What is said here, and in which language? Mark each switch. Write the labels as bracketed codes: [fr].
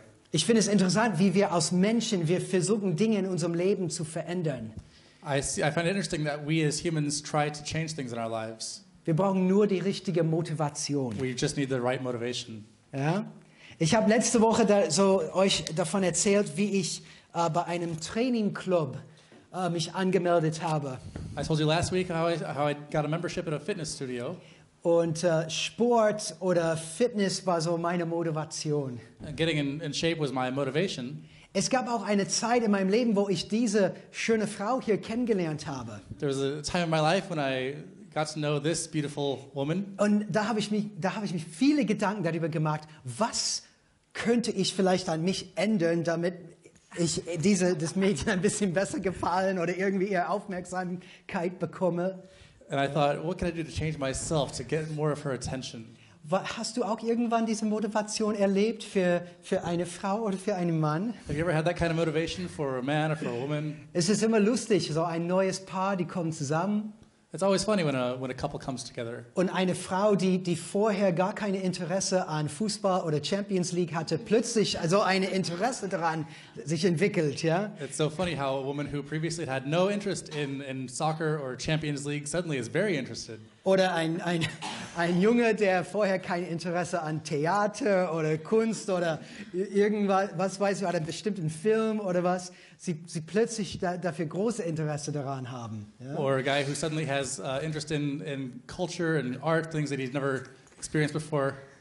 [de] Ich finde es interessant, wie wir als Menschen, wir versuchen Dinge in unserem Leben zu verändern. [en] I find it interesting that we as humans try to change things in our lives. [de] Wir brauchen nur die richtige Motivation. [en] We just need the right motivation. [de] Ja? Ich habe letzte Woche euch davon erzählt, wie ich bei einem Training Club mich angemeldet habe. [en] I told you last week how I got a membership at a fitness studio. [de] Und Sport oder Fitness war so meine Motivation. [en] Getting in shape was my motivation. [de] Es gab auch eine Zeit in meinem Leben, wo ich diese schöne Frau hier kennengelernt habe. [en] There was a time in my life when I got to know this beautiful woman. [de] Und da habe ich mich viele Gedanken darüber gemacht, was könnte ich vielleicht an mich ändern, damit ich das Mädchen ein bisschen besser gefallen oder irgendwie ihre Aufmerksamkeit bekomme. [en] And I thought, what can I do to change myself to get more of her attention? [de] Hast du auch irgendwann diese Motivation erlebt für eine Frau oder für einen Mann? [en] Have you ever had that kind of motivation for a man or for a woman? [de] Es ist immer lustig, so ein neues Paar, die kommen zusammen. [en] It's always funny when a couple comes together. [de] Und eine Frau, die vorher gar keine Interesse an Fußball oder Champions League hatte, plötzlich so ein Interesse daran sich entwickelt, ja? [en] It's so funny how a woman who previously had no interest in soccer or Champions League suddenly is very interested. [de] Oder ein Junge, der vorher kein Interesse an Theater oder Kunst oder irgendwas, was weiß ich, oder einem bestimmten Film oder was, sie plötzlich dafür große Interesse daran haben. Ja? [en] Or a guy who suddenly has interest in culture and art, things that he's never experienced before.